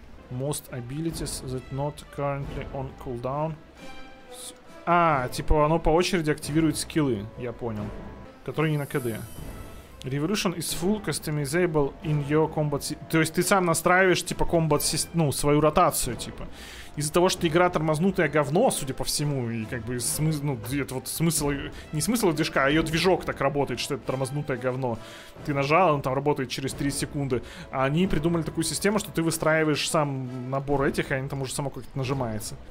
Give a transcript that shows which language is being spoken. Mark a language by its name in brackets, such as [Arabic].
[English] Most abilities that not currently on cooldown. [Russian] А, типа оно по очереди активирует скиллы, я понял. Которые не на КД. [English] Revolution is full customizable in your combat system. [Russian] То есть ты сам настраиваешь, типа, combat system, ну, свою ротацию, типа. Из-за того, что игра тормознутая говно, судя по всему, и как бы смысл, ну, это вот смысл, не смысл движка, а ее движок так работает, что это тормознутое говно. Ты нажал, он там работает через 3 секунды. А они придумали такую систему, что ты выстраиваешь сам набор этих, и они там уже само как-то нажимается.